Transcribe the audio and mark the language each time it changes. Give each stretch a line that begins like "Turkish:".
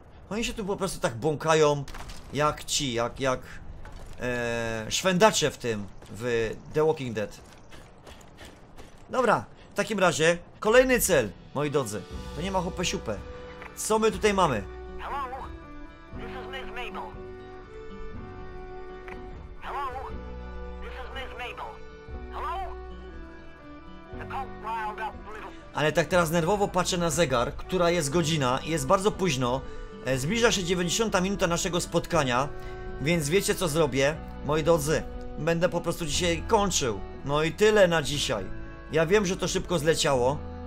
Polish: Oni się tu po prostu tak błąkają. Jak ci, jak szwendacze w tym, w The Walking Dead. Dobra, w takim razie kolejny cel, moi drodzy. To nie ma chupę siupę. Co my tutaj mamy?
English: Hello, this is Miss Mabel. Hello, this is Miss Mabel. Hello? The cult riled up a little...
Polish: Ale tak teraz nerwowo patrzę na zegar, która jest godzina i jest bardzo późno. Zbliża się 90 minuta naszego spotkania. Więc wiecie, co zrobię, moi drodzy, będę po prostu dzisiaj kończył. No i tyle na dzisiaj. Ja wiem, że to szybko zleciało.